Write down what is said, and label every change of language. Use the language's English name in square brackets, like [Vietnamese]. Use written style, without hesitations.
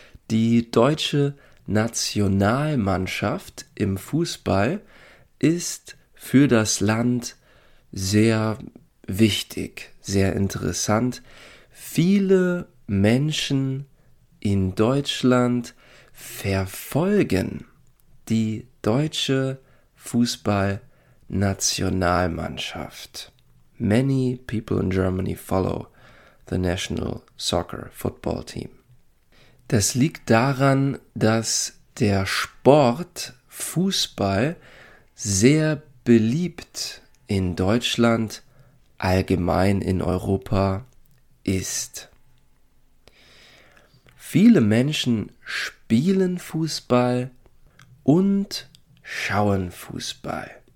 [German] Die deutsche Nationalmannschaft im Fußball ist für das Land sehr wichtig, sehr interessant. Viele Menschen in Deutschland verfolgen die deutsche Fußballnationalmannschaft. [English] Many people in Germany follow the national soccer football team. [German] Das liegt daran, dass der Sport Fußball sehr beliebt in Deutschland, allgemein in Europa ist. Viele Menschen spielen Fußball und schauen Fußball.